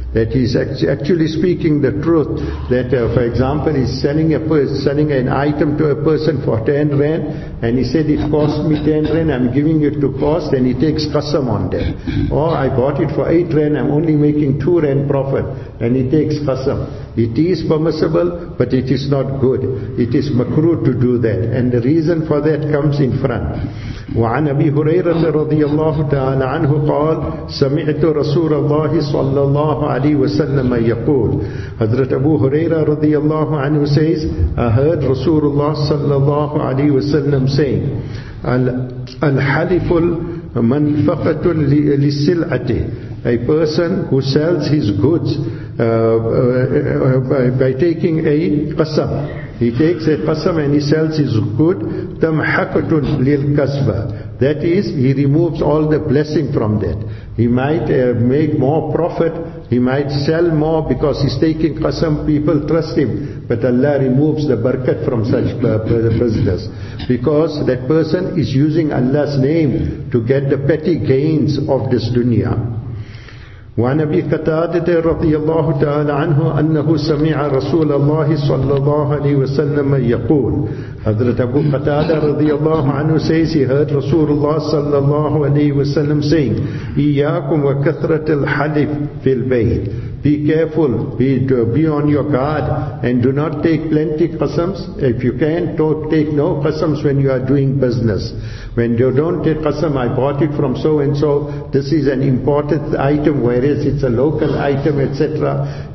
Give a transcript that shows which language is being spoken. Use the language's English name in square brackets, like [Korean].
[English] That he's actually speaking the truth, that for example, he's selling an item to a person for 10 rand, and he said, it cost me 10 rand, I'm giving it to cost, and he takes qasam on that. Or I bought it for 8 rand, I'm only making 2 rand profit, and he takes qasam. It is permissible, but it is not good. It is makruh to do that. And the reason for that comes in front. [Arabic] وعن أبي هريرة رضي الله تعالى عنه قال سمعت رسول الله صلى الله عليه وسلم يقول. حضرت أبو هريرة رضي الله عنه [English] says, I heard [Arabic] رسول الله صلى الله عليه وسلم [English] saying, [Arabic] الحلف منفقة للسلعة. [English] A person who sells his goods by taking a qasam. He takes a qasam and he sells his good. [Arabic] Tamhaqatun lil kasba. [English] That is, he removes all the blessing from that. He might make more profit, he might sell more because he's taking qasam, people trust him. But Allah removes the barakat from such business. Because that person is using Allah's name to get the petty gains of this dunya. [Arabic] وعن أبي قتادة رضي الله تعالى عنه أنه سمع رسول الله صلى الله عليه وسلم يقول. حضرت أبو قتادة رضي الله عنه [English] says, he heard [Arabic] رسول الله صلى الله عليه وسلم [English] saying, [Arabic] إياكم وكثرة الحلف في البيت. [English] Be careful, be on your guard, and do not take plenty qasams. If you can, don't take no qasams when you are doing business. When you don't take qasam, I bought it from so and so, this is an imported item, whereas it's a local item, etc.